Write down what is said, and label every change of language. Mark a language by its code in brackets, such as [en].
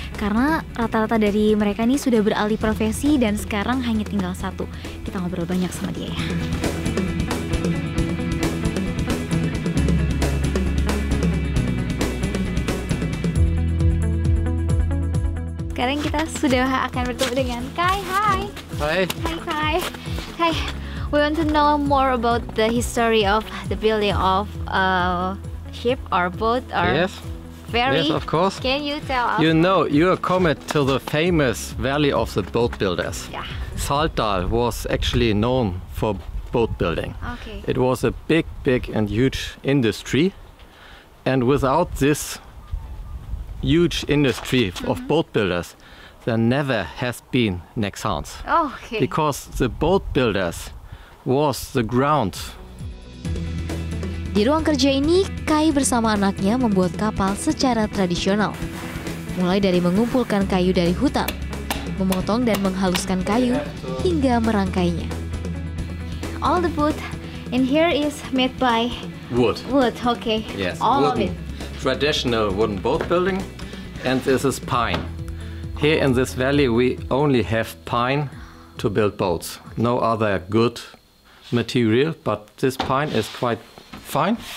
[id] Karena rata-rata dari mereka ini sudah beralih profesi dan sekarang hanya tinggal satu. Kita ngobrol banyak sama dia ya. Sekarang kita sudah akan bertemu dengan Kai. Hai. Hai. Hai Kai. Hai. [en] We want to know more about the history of the building of a ship or boat or yes. ferry. Yes, of course. Can you tell us? You know, you are coming to the famous valley of the boat builders. Yeah. Saltdal was actually known for boat building. Okay. It was a big, big and huge industry. And without this huge industry mm-hmm. of boat builders, there never has been Nexans. Oh, okay. Because the boat builders was the ground. [id] Di ruang kerja ini, Kai bersama anaknya membuat kapal secara tradisional. Mulai dari mengumpulkan kayu dari hutan, memotong dan menghaluskan kayu, hingga merangkainya. [en] All the wood in here is made by wood. Wood, okay. Yes. All wooden, of it. Traditional wooden boat building, and this is pine. Here in this valley, we only have pine to build boats. No other good material, but this pine is quite fine.